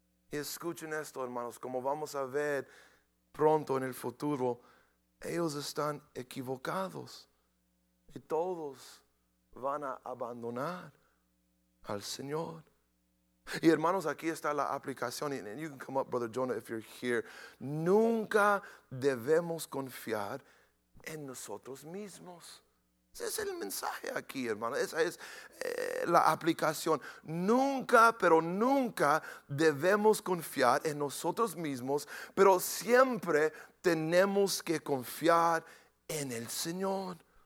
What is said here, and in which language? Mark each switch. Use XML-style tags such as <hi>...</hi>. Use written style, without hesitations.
<es>Y escuchen esto, hermanos, como vamos a ver pronto en el futuro, ellos están equivocados y todos van a abandonar al Señor. Y hermanos, aquí está la aplicación.</es> <en>And you can come up, Brother Jonah, if you're here.</en> <es>Nunca debemos confiar en nosotros mismos. Ese es el mensaje aquí, hermano. Esa es la aplicación. Nunca, pero nunca debemos confiar en nosotros mismos, pero siempre tenemos que confiar en el Señor.</es>